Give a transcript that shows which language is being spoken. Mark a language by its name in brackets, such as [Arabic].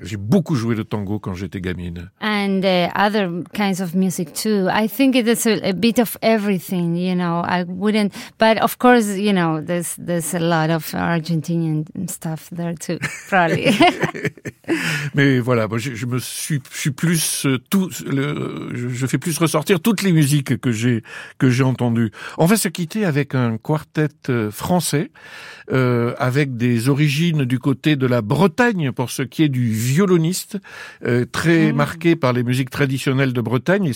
[French] J'ai beaucoup joué de tango quand j'étais gamine. [English] And other kinds of music too. I think it is a bit of everything, you know. But of course, you know, there's a lot of Argentinian stuff there too, probably. [French] Mais voilà, moi je suis plus tout le, je fais plus ressortir toutes les musique que j'ai entendu. On va se quitter avec un quartet français, avec des origines du côté de la Bretagne pour ce qui est du violoniste, très marqué par les musiques traditionnelles de Bretagne.